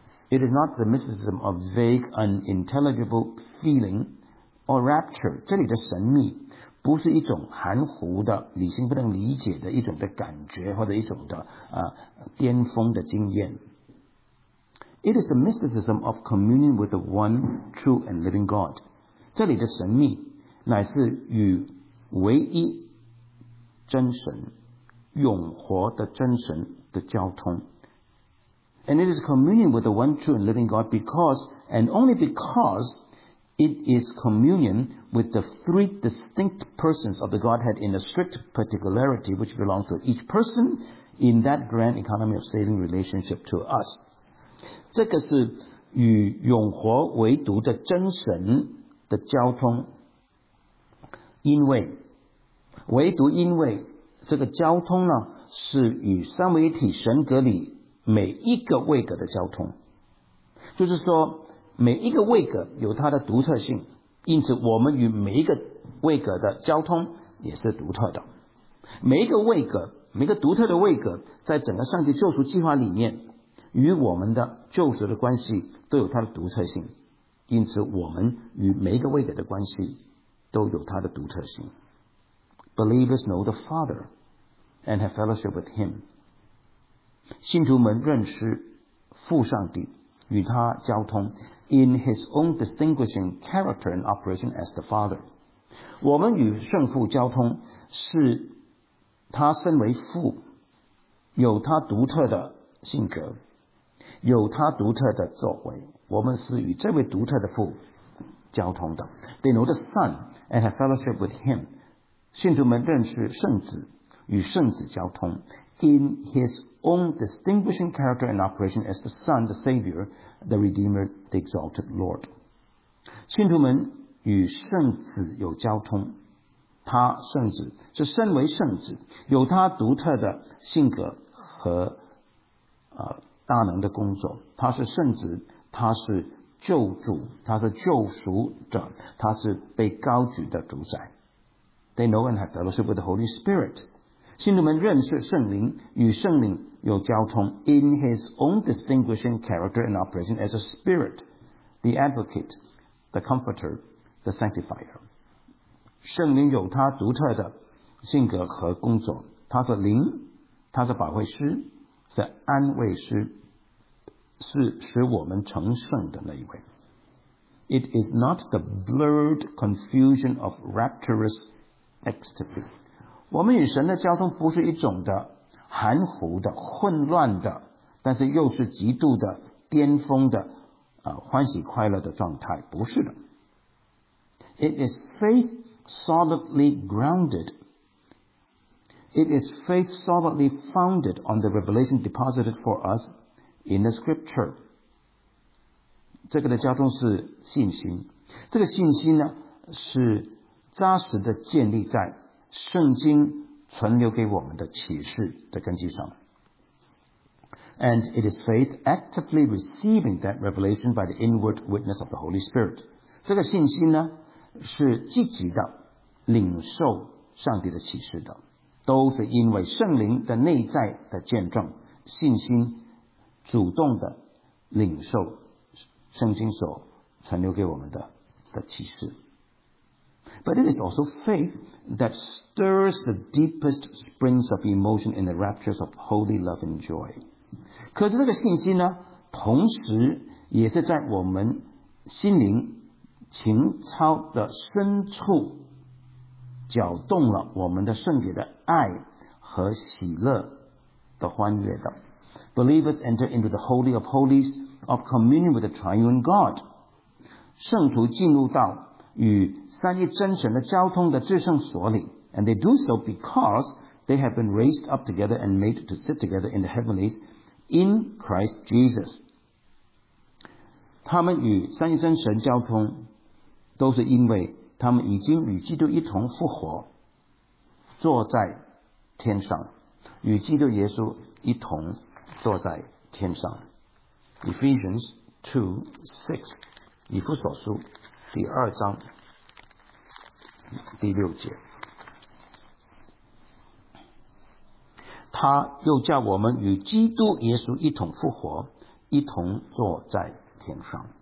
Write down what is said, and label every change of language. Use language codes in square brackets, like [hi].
[en] It is not the mysticism of vague, unintelligible feeling or rapture. [zh] 这里的神秘不是一种含糊的、理性不能理解的一种的感觉，或者一种的巅峰的经验。 [en] It is the mysticism of communion with the one true and living God. [zh] 这里的神秘乃是与唯一真神、永活的真神的交通。 [en] And it is communion with the one true and living God because, and only because, it is communion with the three distinct persons of the Godhead in a strict particularity which belongs to each person in that grand economy of saving relationship to us. [zh] 这个是与永活唯独的真神的交通，因为唯独因为这个交通呢，是与三位一体神格里每一个位格的交通，就是说每一个位格有它的独特性，因此我们与每一个位格的交通也是独特的。每一个位格，每一个独特的位格，在整个上帝救赎计划里面与我们的救赎的关系都有它的独特性，因此我们与每一个位格的关系都有它的独特性。 [en] Believers know the Father and have fellowship with Him. [zh] 信徒们认识父上帝，与他交通， [en] in His own distinguishing character and operation as the Father. [zh] 我们与圣父交通，是他身为父，有他独特的性格，有他独特的作为，我们是与这位独特的父交通的。 [en] They know the Son and have fellowship with Him. [zh] 信徒们认识圣子，与圣子交通， [en] in His own distinguishing character and operation as the Son, the Savior, the Redeemer, the Exalted Lord. [zh] 信徒们与圣子有交通，他圣子是身为圣子，有他独特的性格和大能的工作，他是圣子，他是救主，他是救赎者，他是被高举的主宰。 [en] They know and have fellowship with the Holy Spirit. [zh] 信徒们认识圣灵，与圣灵有交通， [en] in his own distinguishing character and operation as a spirit, the advocate, the comforter, the sanctifier. [zh] 圣灵有他独特的性格和工作，他是灵，他是保惠师，是安慰师，是使我们成圣的那一位。 [en] It is not the blurred confusion of rapturous ecstasy. [zh] 我们与神的交通不是一种的含糊的、混乱的，但是又是极度的巅峰的欢喜快乐的状态，不是的。 [en] It is faith solidly grounded. It is faith solidly founded on the revelation deposited for us in the Scripture. [zh] 这个的交通是信心，这个信心呢是扎实的建立在圣经存留给我们的启示的根基上。 [en] And it is faith actively receiving that revelation by the inward witness of the Holy Spirit. [zh] 这个信心呢是积极的领受上帝的启示的，都是因为圣灵的内在的见证，信心主动的领受圣经所传留给我们 的启示。 [en] But it is also faith that stirs the deepest springs of emotion in the raptures of holy love and joy. [zh] 可是这个信心呢，同时也是在我们心灵情操的深处搅动了我们的圣洁的爱和喜乐的欢悦的。 [en] Believers enter into the holy of holiesOf communion with the triune God. [zh] 圣徒进入到与三一真神的交通的至圣所里， [en] and they do so because they have been raised up together and made to sit together in the heavenlies in Christ Jesus. [zh] 他们与三一真神交通都是因为他们已经与基督一同复活，坐在天上，与基督耶稣一同坐在天上。 Ephesians 2:6, 以弗所书第二章第六节，他又叫我们与基督耶稣一同复活，一同坐在天上。